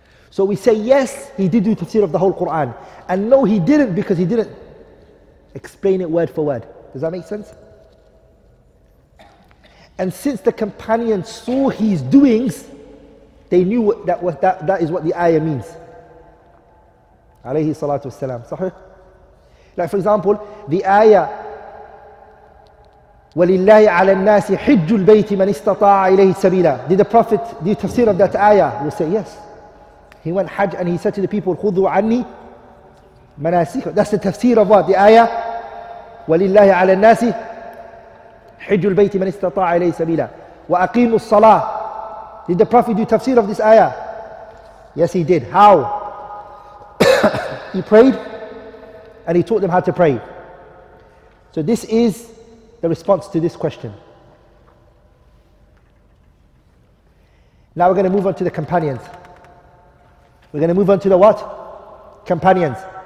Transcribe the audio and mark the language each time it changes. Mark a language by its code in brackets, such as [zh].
[en] So we say yes, he did do tafsir of the whole Quran, and no, he didn't, because he didn't explain it word for word. Does that make sense? And since the companions saw his doings, they knew that is what the ayah means. Alayhi salatu wasalam. Sahih? Like for example, the ayah, [ar] وَلِلَّهِ عَلَى النَّاسِ حِجُّ الْبَيْتِ مَنِ اسْتَطَاعَ إِلَيْهِ سَبِيلًا. [en] Did the Prophet do tafsir of that ayah? We'll say yes. He went Hajj and he said to the people, [ar] خُذُوا عَنِّي مَنَاسِكُمْ. [en] That's the tafsir of what? The ayah, [ar] وَلِلَّهِ عَلَى النَّاسِ حِجُّ الْبَيْتِ مَنِ اسْتَطَاعَ إِلَيْهِ سَبِيلًا وَأَقِيمُوا الصَّلَاةِ. [en] Did the Prophet do tafsir of this ayah? Yes, he did. How? He prayed and he taught them how to pray. So this is the response to this question. Now we're going to move on to the companions. We're going to move on to the what? Companions.